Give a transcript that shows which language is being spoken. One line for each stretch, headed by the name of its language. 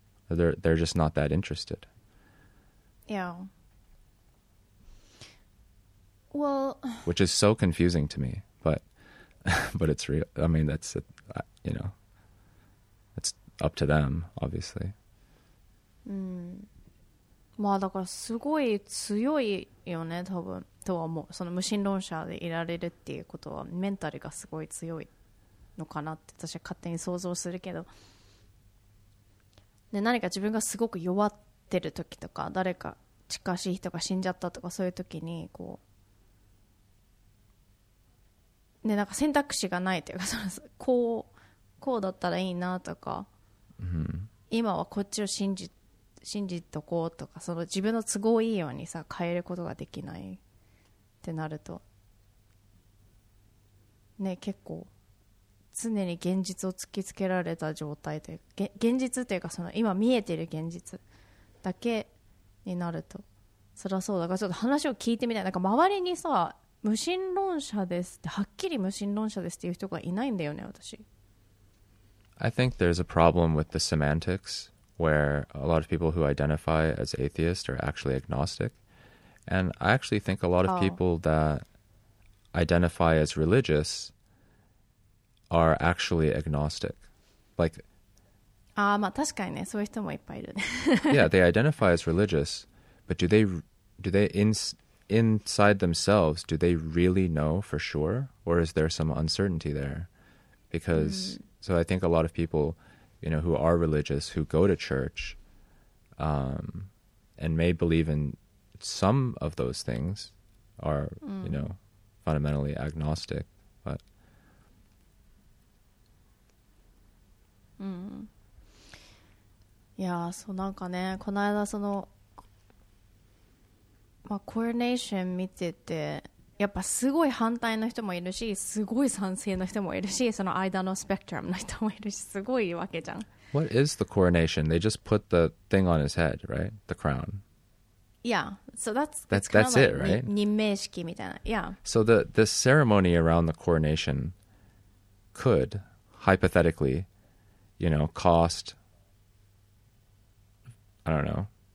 English: They're just not that interested. Yeah. Well, which is so confusing to me, but it's real. I mean, that's, you know, it's up to them, obviously.
Japanese: うん、まあだからすごい強いよね多分とは思う。その無神論者でいられるっていうことはメンタルがすごい強いのかなって私は勝手に想像するけど、で何か自分がすごく弱ってる時とか、誰か近しい人が死んじゃったとか、そういう時にこう、でなんか選択肢がないというか、そのこうだったらいいなとか、今はこっちを信じとこうとか、その自分の都合いいようにさ変えることができないってなるとね、結構常に現実を突きつけられた状態で、現実っていうか、その今見えてる現実だけになると、そりゃそうだから、ちょっと話を聞いてみたい。なんか周りにさ、無神論者ですって、はっきり無神論者ですっていう人がいないんだよね私。
English: I think there's a problem with the semantics, where a lot of people who identify as atheist are actually agnostic. And I actually think a lot of people that identify as religious are actually agnostic. Like,
Japanese: まあ確かにね、そういう人もいっぱいいる。
English: Yeah, they identify as religious, but do they inside themselves, do they really know for sure? Or is there some uncertainty there? Because... So I think a lot of people, you know, who are religious, who go to church, and may believe in some of those things, are, you know, fundamentally agnostic. But, yeah, so
Japanese: なんかね、この間そのまあコーネーション見てて。やっぱすごい反対の人もいるし、すごい賛成の人もいるし、その間のスペクトラムの人もいるし、すごいわけじゃん。
English: What is the coronation? They just put the thing on his head, right? The crown. Yeah, so that's it, right?
Japanese: 任命式みたいな。
English: Yeah. So the ceremony around the coronation could hypothetically, you know, cost, I don't know,